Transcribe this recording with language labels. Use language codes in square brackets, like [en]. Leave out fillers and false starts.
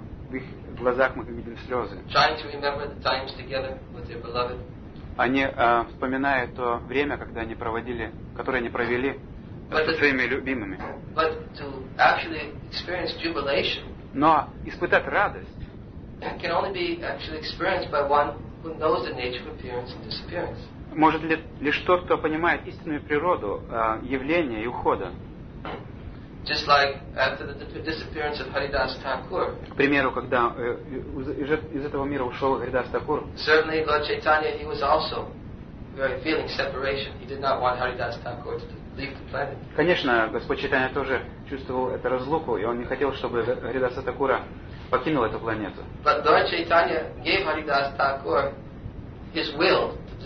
[ru] В их глазах мы видим слезы. [en] Trying to remember the times together with their beloved. [ru] Они вспоминают то время, когда они проводили, которое они провели со своими любимыми. [en] But to actually experience jubilation. [ru] Но испытать радость [en] can only be actually experienced by one who knows the nature of appearance and disappearance. [ru] Может ли лишь тот, кто понимает истинную природу явления и ухода? [en] Just like after the disappearance of Haridas Thakur. [ru] К примеру, когда из этого мира ушел Haridas Thakur. [en] Certainly, Lord Chaitanya, he was also very feeling separation. He did not want Haridas Thakur to leave the planet. [ru] Конечно, Господь Чайтанья тоже чувствовал эту разлуку, и он не хотел, чтобы Haridas Thakur покинул эту планету. [en] But Lord Chaitanya gave Haridas Thakur his will.